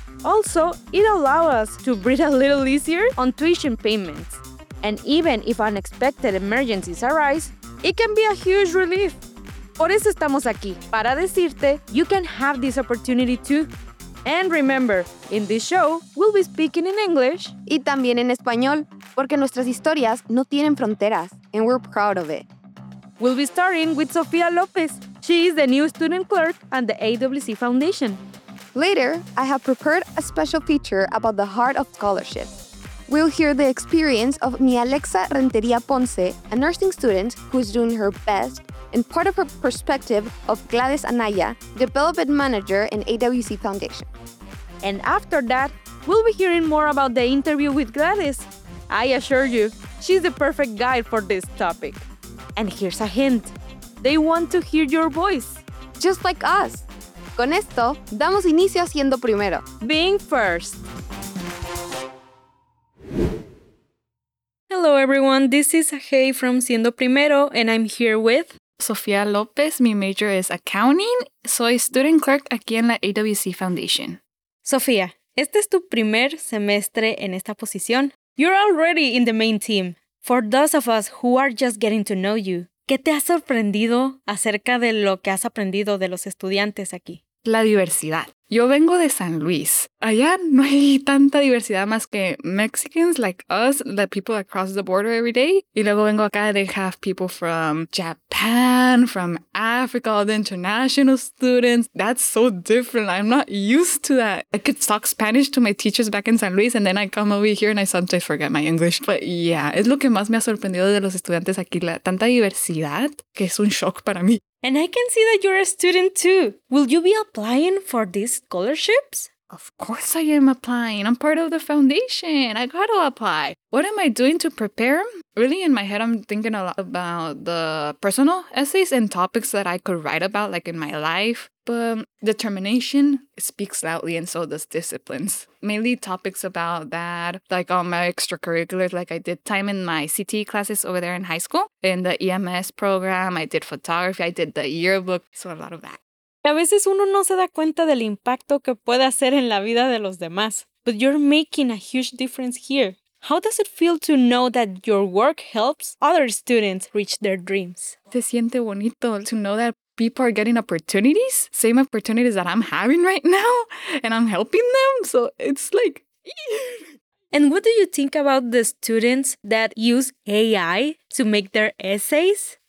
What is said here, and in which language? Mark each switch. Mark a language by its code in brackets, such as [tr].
[en] Also, it allows us to breathe a little easier on tuition payments. And even if unexpected emergencies arise, it can be a huge relief. [es] Por eso estamos aquí, para decirte [en] you can have this opportunity too. And remember, in this show, we'll be speaking in English. [es] Y también en español, porque nuestras historias no tienen fronteras, [en] and we're proud of it. We'll be starting with Sofia López. She is the new student clerk at the AWC Foundation. Later, I have prepared a special feature about the heart of scholarship. We'll hear the experience of Mia Alexa Renteria Ponce, a nursing student who's doing her best, and part of her perspective of Gladys Anaya, development manager in AWC Foundation. And after that, we'll be hearing more about the interview with Gladys. I assure you, she's the perfect guide for this topic. And here's a hint. They want to hear your voice. Just like us. [es] Con esto, damos inicio a Siendo Primero. [en] Being first. Hello everyone, this is Sahei from Siendo Primero, and I'm here with Sofia López. My major is accounting. [es] Soy [en] student clerk [es] aquí en la [en] AWC Foundation. [es] Sofia, este es tu primer semestre en esta posición. [en] You're already in the main team. For those of us who are just getting to know you, [es] ¿qué te ha sorprendido acerca de lo que has aprendido de los estudiantes aquí? La diversidad. Yo vengo de San Luis. Allá no hay tanta diversidad más que [en] Mexicans like us, the people that cross the border every day. [es] Y luego vengo acá, [en] they have people from Japan, from Africa, all the international students. That's so different. I'm not used to that. I could talk Spanish to my teachers back in San Luis and then I come over here and I sometimes forget my English. But yeah, [es] es lo que más me ha sorprendido de los estudiantes aquí, la tanta diversidad, que es un shock para mí. [en] And I can see that you're a student too. Will you be applying for these scholarships? Of course I am applying. I'm part of the foundation. I gotta apply. What am I doing to prepare? Really, in my head, I'm thinking a lot about the personal essays and topics that I could write about, like in my life. But determination speaks loudly and so does disciplines. Mainly topics about that, like all my extracurriculars, like I did time in my CTE classes over there in high school, in the EMS program, I did photography, I did the yearbook, so a lot of that. [es] A veces uno no se da cuenta del impacto que puede hacer en la vida de los demás, [en] but you're making a huge difference here. How does it feel to know that your work helps other students reach their dreams? [es] Se siente bonito [en] to know that people are getting opportunities, same opportunities that I'm having right now, and I'm helping them, so it's like... And what do you think about the students that use AI to make their essays?